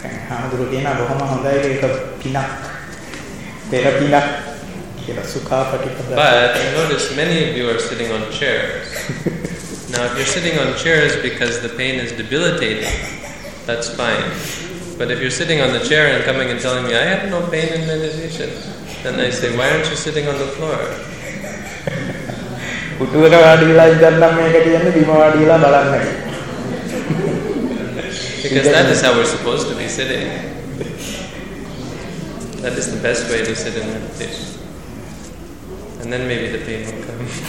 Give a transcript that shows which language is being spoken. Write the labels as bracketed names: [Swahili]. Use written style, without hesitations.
[Sinhala] හාමුදුරුවෝ කියනවා බොහොම හොඳයි ඒක පිනක්. පෙර පිනක් කියලා සුඛාපටිපද. [English] But I noticed many of you are sitting on chairs. Now if you're sitting on chairs because the pain is debilitating, that's fine. But if you're sitting on the chair and coming and telling me I have no pain in meditation, then I say why aren't you sitting on the floor? [Sinhala] පුටුවක වාඩිලා ඉඳන් නම් මේක කියන්නේ බිම වාඩිලා බලන්න කියලා. [English] Because that is how we're supposed to be sitting. That is the best way to sit in meditation. And then maybe the pain will come.